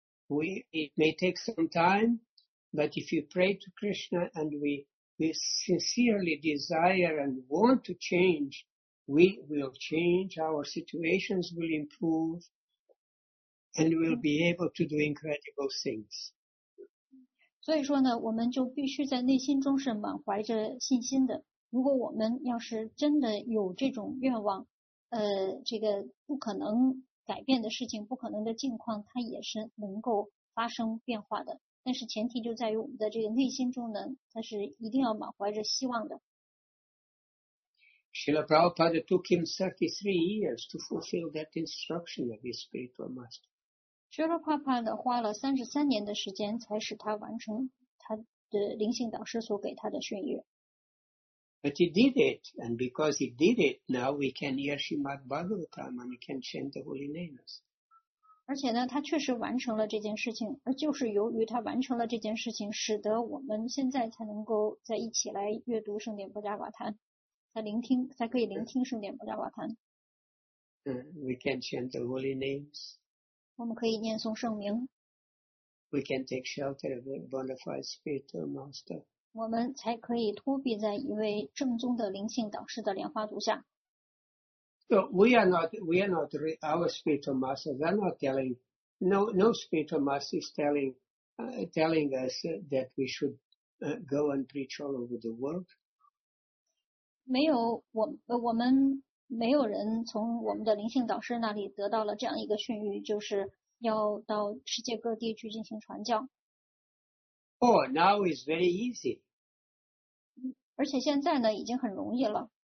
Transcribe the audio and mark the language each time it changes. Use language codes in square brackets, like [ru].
[en] It may take some time, but if you pray to Krishna and we sincerely desire and want to change,We will change, our situations will improve, and we'll be able to do incredible things. [zh] 所以说呢，我们就必须在内心中是满怀着信心的。如果我们要是真的有这种愿望，这个不可能改变的事情，不可能的境况，它也是能够发生变化的。但是前提就在于我们的这个内心中呢，它是一定要满怀着希望的。 [en] Srila Prabhupada took him 33 years to fulfill that instruction of his spiritual master. [zh] Srila Prabhupada 花了33年的时间才使他完成他的灵性导师所给他的训谕。 [en] But he did it, and because he did it, now we can hear Srimad Bhagavatam and we can chant the holy names. [zh] 而且呢，他确实完成了这件事情，而就是由于他完成了这件事情，使得我们现在才能够在一起来阅读圣典波迦瓦坛。才可以聆听圣典波迦瓦坛。 [en] We can chant the holy names. [zh] 我们可以念诵圣名。 [en] We can take shelter of the bona fide spiritual master. [zh] 我们才可以托庇在一位正宗的灵性导师的莲花足下。 [en] So we are not our spiritual masters are not telling, no spiritual master is telling us that we should go and preach all over the world. [zh] 没有我们没有人从我们的灵性导师那里得到了这样一个训谕，就是要到世界各地去进行传教。 [en] Oh, now it's very easy. [zh] 而且现在呢，已经很容易了。